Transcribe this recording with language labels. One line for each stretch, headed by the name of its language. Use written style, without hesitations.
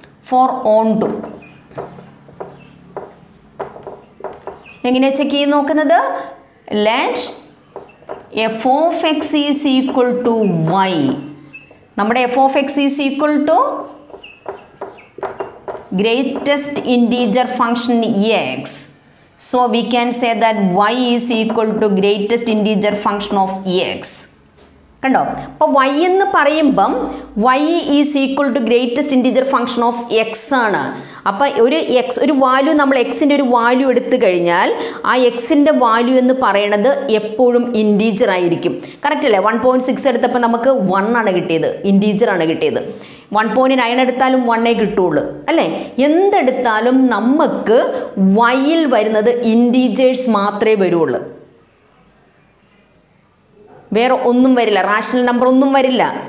Malayalam: Four on to എങ്ങനെയാണ് check ചെയ്ത് നോക്കുന്നത്?
English: Let f of x is equal to y.
Malayalam: നമ്മുടെ
English: F of x is equal to greatest integer function x. So we can say that y is equal to greatest integer function of x.
Malayalam: കണ്ടോ, അപ്പോൾ y എന്ന് പറയുമ്പം
English: y is equal to greatest integer function of x
Malayalam: ആണ്. അപ്പോൾ ഒരു x ഒരു value, നമ്മൾ എക്സിൻ്റെ ഒരു വാല്യൂ എടുത്തു കഴിഞ്ഞാൽ ആ എക്സിൻ്റെ വാല്യൂ എന്ന് പറയുന്നത് എപ്പോഴും ഇൻറ്റീജർ ആയിരിക്കും. കറക്റ്റ് അല്ലേ? 1.6 എടുത്തപ്പോൾ നമുക്ക് 1 ആണ് കിട്ടിയത്, ഇൻറ്റീജറാണ് കിട്ടിയത്. 1.9 എടുത്താലും 1 കിട്ടുള്ളൂ അല്ലേ? എന്തെടുത്താലും നമുക്ക് വൈയിൽ വരുന്നത് ഇൻറ്റീജേഴ്സ് മാത്രമേ വരുള്ളൂ, വേറെ ഒന്നും വരില്ല, റാഷണൽ നമ്പർ ഒന്നും വരില്ല.